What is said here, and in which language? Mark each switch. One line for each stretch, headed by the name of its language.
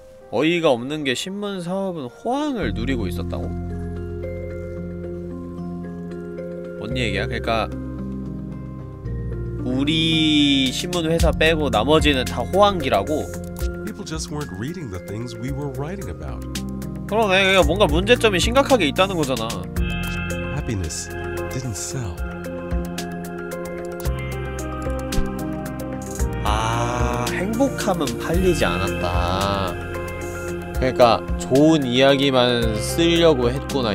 Korean: 어이가 없는 게 신문 사업은 호황을 누리고 있었다고? 뭔 얘기야? 그러니까 우리 신문 회사 빼고 나머지는 다 호황기라고?
English: just weren't reading the things we were writing about.
Korean: 그러네. 뭔가 문제점이 심각하게 있다는 거잖아.
English: Happiness didn't sell.
Korean: 아, 행복함은 팔리지 않았다. 그러니까 좋은 이야기만 쓰려고 했구나.